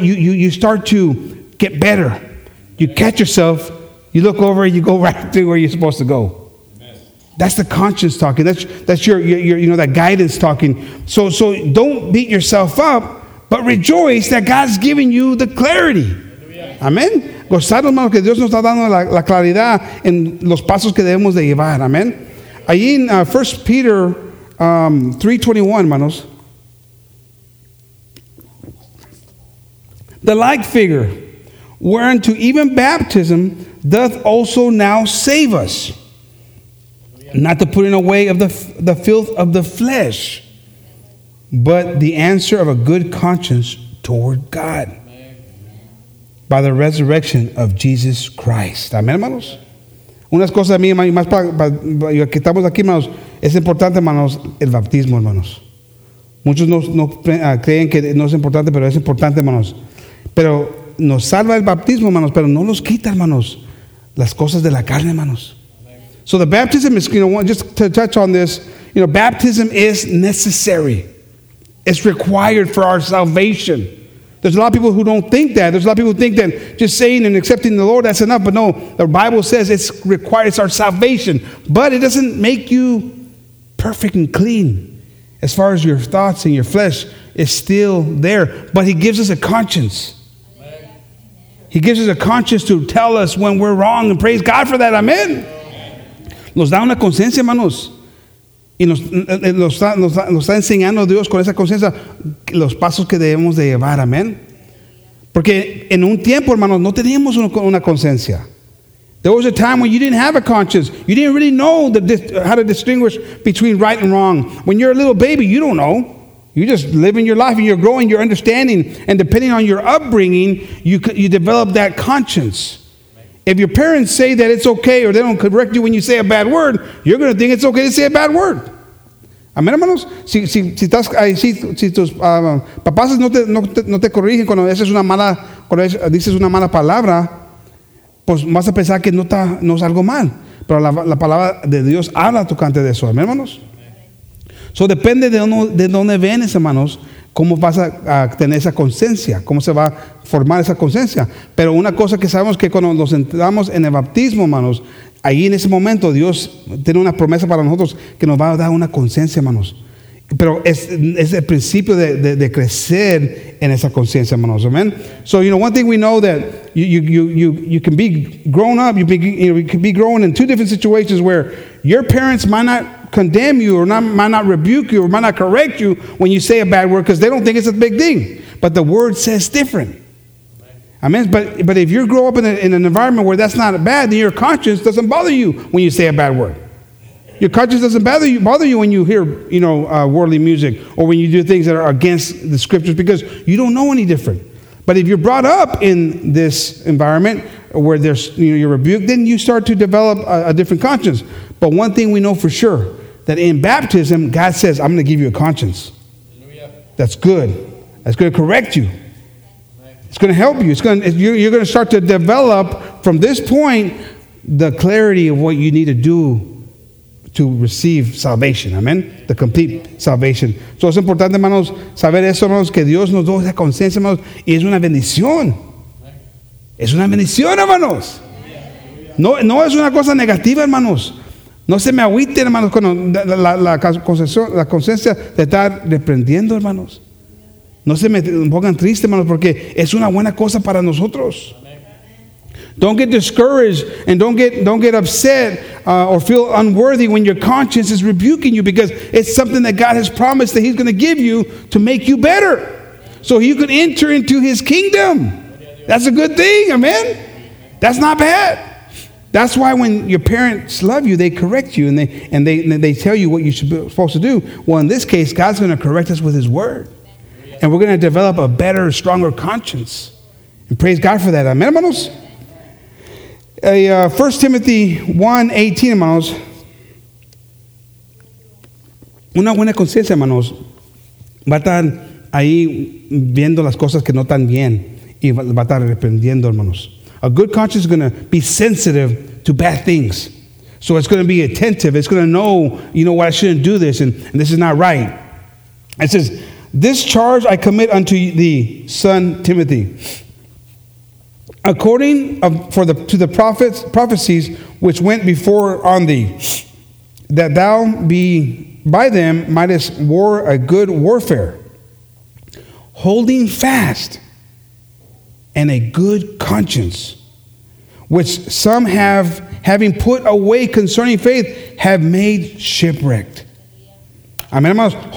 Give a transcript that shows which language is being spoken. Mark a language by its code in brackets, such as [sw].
[en] You start to get better. You catch yourself. You look over and you go right to where you're supposed to go. That's the conscience talking. That's your you know, that guidance talking. So don't beat yourself up, but rejoice that God's giving you the clarity. Amen. [es] Gozar, hermanos, que Dios nos está dando la claridad en los pasos que debemos de llevar. Amen. Ahí en 1 Peter 3:21, hermanos. [en] The like figure, whereunto even baptism doth also now save us. Not the putting away of the filth of the flesh, but the answer of a good conscience toward God. by the resurrection of Jesus Christ. [es] Amén, hermanos. Unas cosas a mí, más para que estamos aquí, hermanos, es importante, hermanos, el bautismo, hermanos. Muchos no creen que no es importante, pero es importante, hermanos. Pero nos salva el bautismo, hermanos, pero no nos quita, hermanos, las cosas de la carne, hermanos. [en] So the baptism is, you know, just to touch on this, you know, baptism is necessary. It's required for our salvation. There's a lot of people who don't think that. There's a lot of people who think that just saying and accepting the Lord, that's enough. But no, the Bible says it's required. It's our salvation. But it doesn't make you perfect and clean. As far as your thoughts and your flesh, it's still there. But he gives us a conscience. He gives us a conscience to tell us when we're wrong. And praise God for that. Amen. [es] Nos da una conciencia, hermanos. Y nos está enseñando Dios con esa conciencia los pasos que debemos de llevar, amén. Porque en un tiempo, hermanos, no teníamos una conciencia. [en] There was a time when you didn't have a conscience. You didn't really know how to distinguish between right and wrong. When you're a little baby, you don't know. You're just living your life and you're growing, you're understanding. And depending on your upbringing, you develop that conscience. If your parents say that it's okay or they don't correct you when you say a bad word, you're going to think it's okay to say a bad word. [es] Amén, hermanos. Si tus papás no te corrigen cuando dices una mala palabra, pues vas a pensar que no es algo mal. Pero la palabra de Dios habla tocante de eso. Amén, hermanos. So depende de dónde vienes, hermanos. ¿Cómo vas a tener esa conciencia? ¿Cómo se va a formar esa conciencia? Pero una cosa que sabemos que cuando nos entramos en el bautismo, hermanos, ahí en ese momento Dios tiene una promesa para nosotros que nos va a dar una conciencia, hermanos. Pero es el principio de crecer en esa conciencia, hermanos. [en] Amen. So, you know, one thing we know that you can be grown up, you can be growing in two different situations where your parents might not condemn you or might not rebuke you or might not correct you when you say a bad word because they don't think it's a big thing. But the word says different. Amen. But if you grow up in an environment where that's not bad, then your conscience doesn't bother you when you say a bad word. Your conscience doesn't bother you when you hear, you know, worldly music or when you do things that are against the scriptures because you don't know any different. But if you're brought up in this environment where there's, you know, you're rebuked, then you start to develop a different conscience. But one thing we know for sure, that in baptism, God says, I'm going to give you a conscience. Hallelujah. That's good. That's going to correct you. It's going to help you. You're going to start to develop, from this point, the clarity of what you need to do to receive salvation. Amen? The complete salvation. [es] So es importante, hermanos, saber eso, hermanos, que Dios nos da esa conciencia, hermanos, y es una bendición. Es una bendición, hermanos. No es una cosa negativa, hermanos. No se me agüite, hermanos, cuando la conciencia de estar reprendiendo, hermanos. No se me pongan tristes, hermanos, porque es una buena cosa para nosotros. [en] Don't get discouraged and don't get upset or feel unworthy when your conscience is rebuking you because it's something that God has promised that he's going to give you to make you better. So you can enter into his kingdom. That's a good thing, amen? That's not bad. That's why when your parents love you, they correct you and they tell you what you should be supposed to do. Well, in this case, God's going to correct us with his word. And we're going to develop a better, stronger conscience. And praise God for that. Amen, hermanos? 1 Timothy 1:18, hermanos. [es] Una buena conciencia, hermanos, va a estar ahí viendo las cosas que no están bien y va a estar reprendiendo, hermanos. [en] A good conscience is going to be sensitive to bad things. So it's going to be attentive. It's going to know, you know, why I shouldn't do this and this is not right. It says, this charge I commit unto thee, son Timothy, according to the prophecies which went before on thee, that thou be by them mightest war a good warfare, holding fast and a good conscience, which some have, having put away concerning faith, have made shipwrecked. Amen, hermanos.